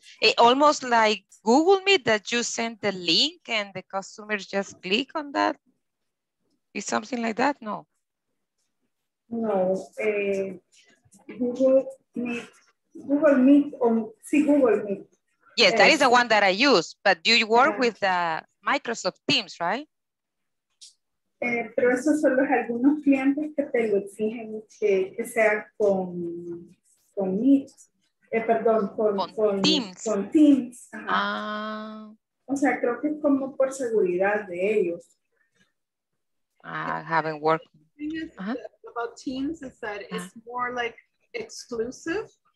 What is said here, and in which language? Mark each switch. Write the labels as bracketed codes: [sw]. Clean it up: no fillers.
[en] It almost like Google Meet that you send the link and the customers just click on that. Is something like that? No. Google Meet. Yes, that is the one that I use. But do you work with Microsoft Teams, right? [es] Pero esos son los algunos clientes que te lo exigen que sea con Meet. perdón, con Teams. Con Teams. Ajá. Ah. O sea, creo que es como por seguridad de ellos. [en] I haven't worked. The thing is, uh-huh, about Teams is that it's more like exclusive.